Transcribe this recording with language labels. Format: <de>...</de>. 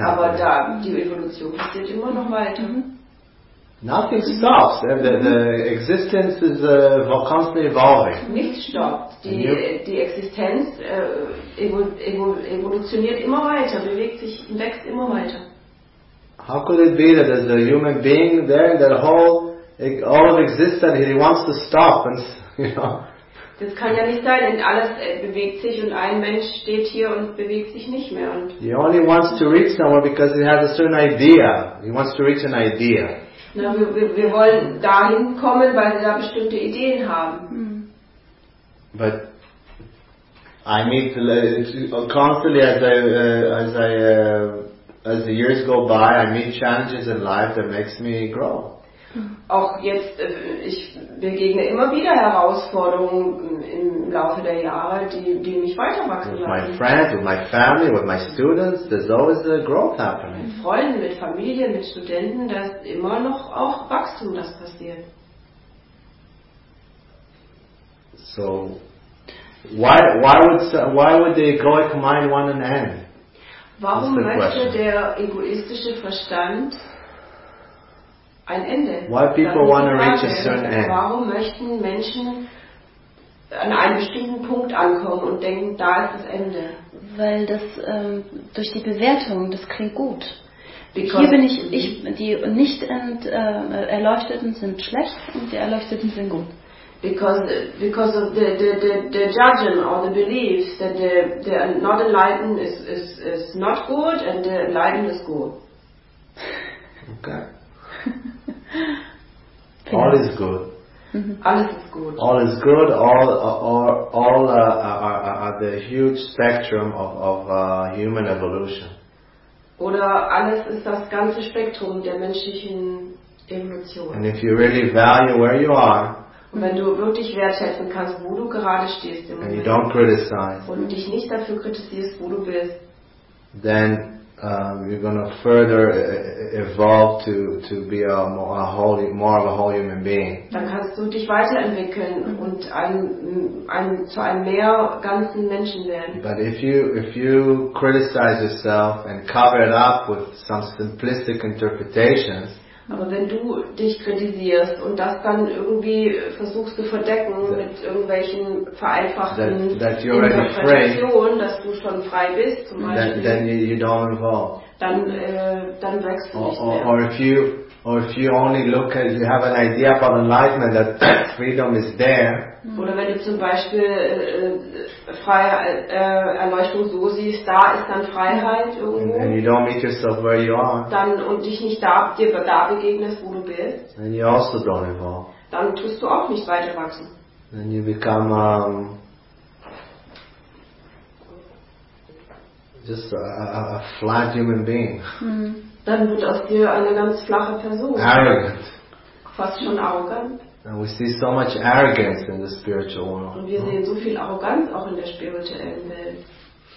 <de>Aber da, die Evolution passiert immer noch weiter.</de> <en>Nothing stops. The existence is constantly evolving.</en> <de>Nichts stoppt. Die Existenz evolutioniert immer weiter, bewegt sich, wächst immer weiter.</de> <en>How could it be that there's a human being there, that whole all of existence, he wants to stop, and</en> <de>Das kann ja nicht sein, denn alles bewegt sich und ein Mensch steht hier und bewegt sich nicht mehr. Und</de> <en>he only wants to reach somewhere because he has a certain idea. He wants to reach an idea.</en> <de>Na, wir wollen dahin kommen, weil wir da bestimmte Ideen haben.</de> <en>But I meet constantly as the years go by, I meet challenges in life that makes me grow.</en> <de>Auch jetzt, ich begegne immer wieder Herausforderungen im Laufe der Jahre, die mich weiterwachsen lassen.</de> <en>With my friends, with my family, with my students, there's always a growth happening.</en> <de>Mit Freunden, mit Familien, mit Studenten, da ist immer noch auch Wachstum, das passiert.</de> <en>So, why would the egoic mind want an end?</en> <de>Warum möchte der egoistische Verstand ein Ende?</de> <en>Why people want to reach a certain end?</en> <de>Warum möchten Menschen an einem bestimmten Punkt ankommen und denken, da ist das Ende? Weil das durch die Bewertung, das klingt gut.</de> <en>Because</en> <de>hier bin ich die nicht Erleuchteten sind schlecht und die Erleuchteten sind gut.</de> <en>Because of the judging or the beliefs that the not enlightened is not good and the enlightened is good. Okay. All is good.</en> <de>Alles ist gut.</de> <en>All is good. All are the huge spectrum of human evolution.</en> <de>Oder alles ist das ganze Spektrum der menschlichen Evolution.</de> <en>And if you really value where you are,</en> <de>und wenn du wirklich wertschätzen kannst, wo du gerade stehst im Moment,</de> <en>you don't criticize,</en> <de>und dich nicht dafür kritisierst, wo du bist,</de> <en>then you're gonna further evolve to be a more of a whole human being.</en> <de>Dann kannst du dich weiterentwickeln und zu einem mehr ganzen Menschen werden.</de> <en>But if you criticize yourself and cover it up with some simplistic interpretations,</en> <de>aber wenn du dich kritisierst und das dann irgendwie versuchst zu verdecken mit irgendwelchen vereinfachten Interpretationen, dass du schon frei bist, zum Beispiel,</de> <en>then you don't evolve.</en> <de>Dann wächst du nicht mehr.</de> <en>Or if you only look at, you have an idea about enlightenment, that freedom is there.</en> <de>Oder wenn du zum Beispiel Erleuchtung so siehst, da ist dann Freiheit irgendwo.</de> <en>And you don't meet yourself where you are.</en> <de>Dann und dich nicht da begegnest, wo du bist.</de> <en>And you also don't evolve.</en> <de>Dann tust du auch nicht weiter wachsen.</de> <en>Then you become just a flat human being.</en> <de>Dann wird aus dir eine ganz flache Person.</de> <en>Arrogant.</en> <de>Fast schon arrogant.</de> <en>And we see so much arrogance in the spiritual world.</en> <de>Und wir sehen so viel Arroganz auch in der spirituellen Welt.</de>